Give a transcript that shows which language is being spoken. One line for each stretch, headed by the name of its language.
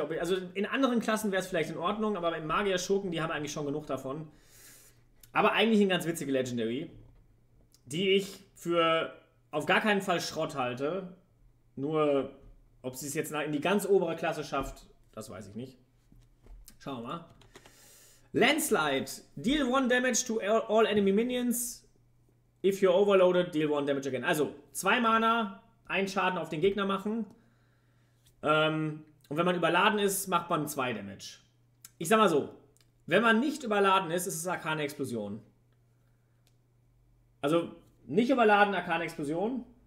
German: Also in anderen Klassen wäre es vielleicht in Ordnung, aber im Magier-Schurken, die haben eigentlich schon genug davon. Aber eigentlich eine ganz witzige Legendary, die ich für auf gar keinen Fall Schrott halte. Nur, ob sie es jetzt in die ganz obere Klasse schafft, das weiß ich nicht. Schauen wir mal. Landslide.
English: Deal 1 damage to all enemy minions. If you're overloaded, deal 1 damage again.
German: Also, 2 Mana, 1 Schaden auf den Gegner machen. Und wenn man überladen ist, macht man 2 Damage. Ich sag mal so. Wenn man nicht überladen ist, ist es Arkane Explosion. Also nicht überladen, Arkane Explosion.